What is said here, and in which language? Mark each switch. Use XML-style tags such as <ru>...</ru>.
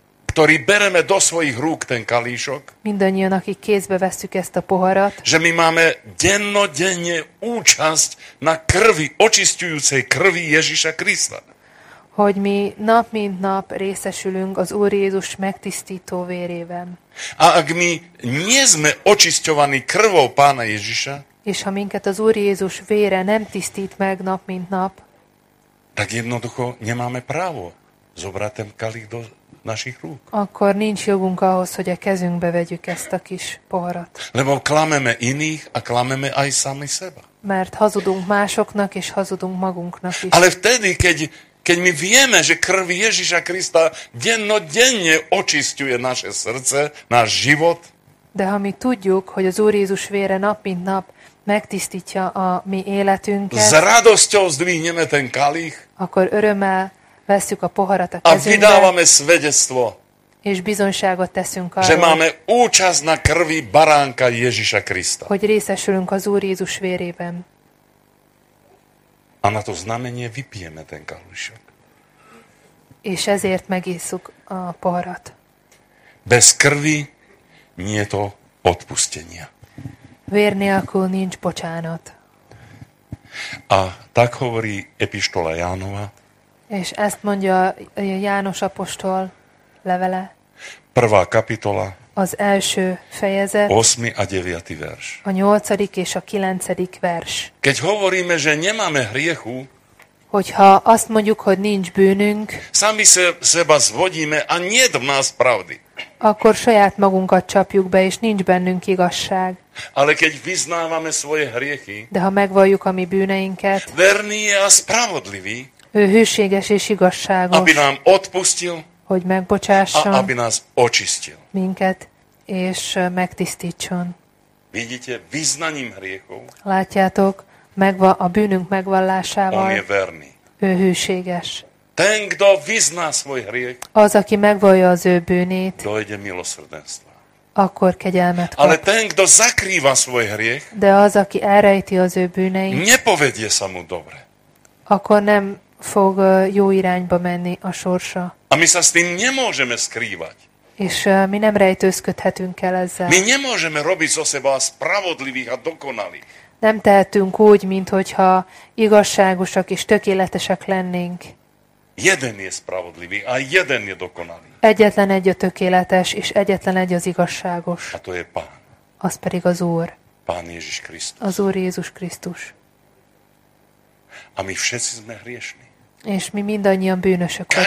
<sk>Ktorý bereme do svojich rúk ten kalíšok.</sk> <hu>Mindannyian, akik kézbe vesszük ezt a poharat.</hu> <sk>Že my máme dennodenne účasť na krvi, očistujúcej krvi Ježiša Krista.</sk> <hu>Hogy mi nap mint nap részesülünk az Úr Jézus megtisztító vérében.</hu> <sk>A ak mi nie sme očisťovaní krvou Pána Ježiša,</sk> <hu>és ha minket az Úr Jézus vére nem tisztít meg nap mint nap,</hu> <sk>tak jednoducho nemáme právo zobrať ten kalich do našich rúk.</sk> <hu>Akkor nincs jogunk ahhoz, hogy a kezünkbe vegyük ezt a kis poharat.</hu> <sk>Lebo klameme iných a klameme aj sami seba.</sk> <hu>Mert hazudunk másoknak és hazudunk magunknak is.</hu> <sk>Ale vtedy, keď my vieme, že krv Ježiša Krista dennodenne očisťuje naše srdce, náš život.</sk> <hu>De ha mi tudjuk, hogy az Úr Jézus vére nap mint nap megtisztítja a mi életünket.</hu> <sk>S radosťou zdvihneme ten kalich.</sk> <hu>Akkor örömmel vesszük a poharat a kezünkbe.</hu> <sk>A vydávame svedectvo.</sk> <hu>És bizonyságot teszünk arról.</hu> <sk>Že máme účasť na krvi baránka Ježiša Krista.</sk> <hu>Hogy részesülünk az Úr Jézus vérében.</hu> <sk>A na to znamenie vypijeme ten kalíšok.</sk> <hu>És ezért megisszuk a poharat.</hu> <sk>Bez krvi nie je to odpustenia.</sk> <hu>Vér nélkül nincs bocsánat.</hu> <sk>A tak hovorí epištola Jánova.</sk> <hu>És ezt mondja János apostol levele.</hu> <sk>Prvá kapitola.</sk> <hu>Az első fejezet.</hu> <sk>8. a 9. verš.</sk> <hu>A 8. és a 9. vers.</hu> <sk>Keď hovoríme, že nemáme hriechu,</sk> <hu>hogyha azt mondjuk, hogy nincs bűnünk,</hu> <sk>sami seba zvodíme a nied v nás pravdy.</sk> <hu>Akkor saját magunkat csapjuk be, és nincs bennünk igazság.</hu> <sk>Ale keď vyznávame svoje hriechy,</sk> <hu>de ha megvalljuk a mi bűneinket,</hu> <sk>verný je a spravodlivý,</sk> <hu>ő hűséges és igazságos,</hu> <sk>aby nám odpustil,</sk> <hu>hogy megbocsásson,</hu> <sk>aby nás očistil,</sk> <hu>minket, és megtisztítson.</hu> <sk>Vidíte, vyznaním hriechov,</sk> <hu>látjátok, a bűnünk megvallásával,</hu> <sk>on je verný,</sk> <hu>ő hűséges.</hu> <sk>Ten, kto vyzná svoj hriech,</sk> <hu>az, aki megvallja az ő bűnét,</hu> <sk>dojde milosrdenstva,</sk> <hu>akkor kegyelmet kap.</hu> <sk>Ale ten, kto zakrýva svoj hriech,</sk> <hu>de az, aki elrejti az ő bűneit,</hu> <sk>nepovedie sa mu dobre,</sk> <hu>akkor nem fog jó irányba menni a sorsa.</hu> <sk>A my sa s tým nemôžeme skrývať.</sk> <hu>És mi nem rejtőzködhetünk el ezzel.</hu> <sk>My nemôžeme robiť zo seba spravodlivých a dokonalých.</sk> <hu>Nem tehetünk úgy, mint hogyha igazságosak és tökéletesek lennénk.</hu> <sk>Jeden je spravodlivý a jeden je dokonalý.</sk> <hu>Egyetlen egy a tökéletes, és egyetlen egy az igazságos.</hu> <sk>A to je Pán.</sk> <hu>Az pedig az Úr.</hu> <sk>Pán Ježiš Krisztus.</sk> <hu>Az Úr Jézus Krisztus.</hu> <sk>A mi všetci sme hriešni.</sk> <hu>És mi mindannyian bűnösök vagyunk.</hu>